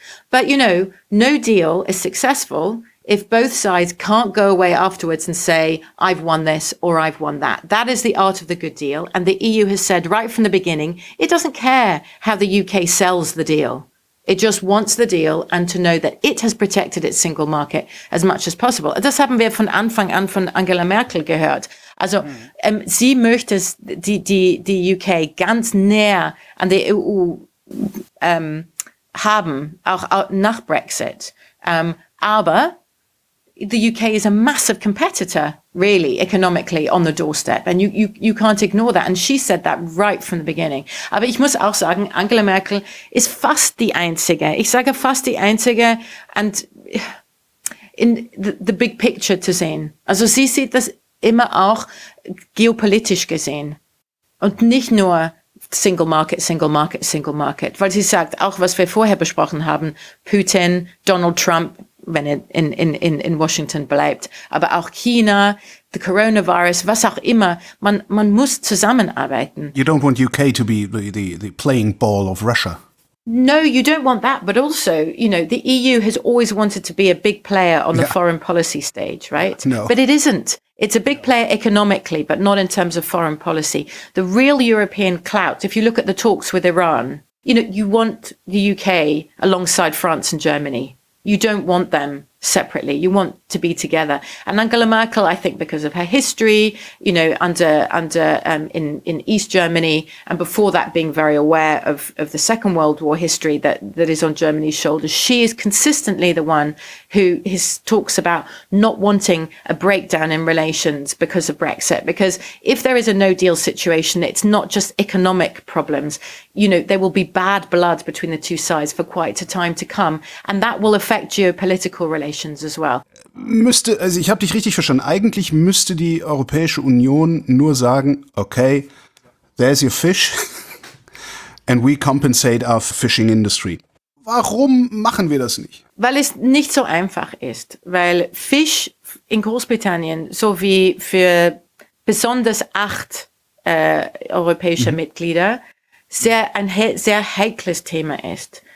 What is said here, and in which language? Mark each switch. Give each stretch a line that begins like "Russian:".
English: But, you know, no deal is successful if both sides can't go away afterwards and say, I've won this or I've won that. That is the art of the good deal. And the EU has said right from the beginning, it doesn't care how the UK sells the deal. It just wants the deal and to know that it has protected its single market as much as possible.
German: Das haben wir von Anfang an von Angela Merkel gehört. Also, sie möchte die UK ganz näher an der EU haben, auch nach Brexit.
English: Aber the UK is a massive competitor, really, economically, on the doorstep. And you can't ignore that. And she said that right from the beginning.
German: Aber ich muss auch sagen, Angela Merkel ist fast die Einzige. Ich sage fast die Einzige.
English: And in the big picture to
German: sehen. Also sie sieht das immer auch geopolitisch gesehen. Und nicht nur Single Market, Single Market, Single Market. Weil sie sagt, auch was wir vorher besprochen haben, Putin, Donald Trump, wenn er in Washington bleibt, aber auch China, the coronavirus, was auch immer, man muss zusammenarbeiten.
English: You don't want UK to be the playing ball of Russia. No, you don't want that, but also, you know, the EU has always wanted to be a big player on the foreign policy stage, right? No. But it isn't. It's a big player economically, but not in terms of foreign policy. The real European clout, if you look at the talks with Iran, you know, you want the UK alongside France and Germany. You don't want them separately. You want to be together. And Angela Merkel, I think because of her history, you know, under in East Germany, and before that being very aware of the Second World War history that is on Germany's shoulders, she is consistently the one who talks about not wanting a breakdown in relations because of Brexit. Because if there is a no deal situation, it's not just economic problems. You know, there will be bad blood between the two sides for quite a time to come. And that will affect geopolitical relations as well.
German: Also ich habe dich richtig verstanden. Eigentlich müsste die Europäische Union nur sagen, okay,
English: there's your fish and we compensate our fishing industry.
German: Warum machen wir das nicht? Weil es nicht so einfach ist. Weil Fisch in Großbritannien, so wie für besonders 8 europäische Mitglieder, sehr heikles Thema ist.